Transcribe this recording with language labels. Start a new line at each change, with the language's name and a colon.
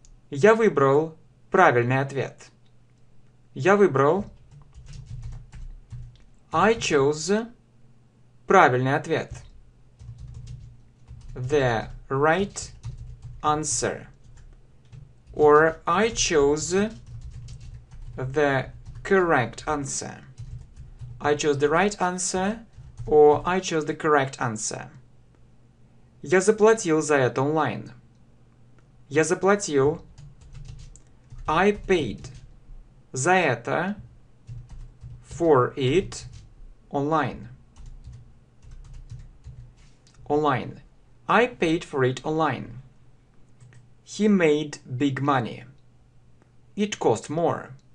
Russian: Я выбрал правильный ответ. Я выбрал.
English: I chose
Russian: правильный ответ.
English: The right answer. Or I chose the correct answer. I chose the right answer, or I chose the correct answer.
Russian: Я заплатил за это онлайн. Я заплатил.
English: I paid
Russian: за это
English: for it online. Online. I paid for it online. He made big money. It cost more.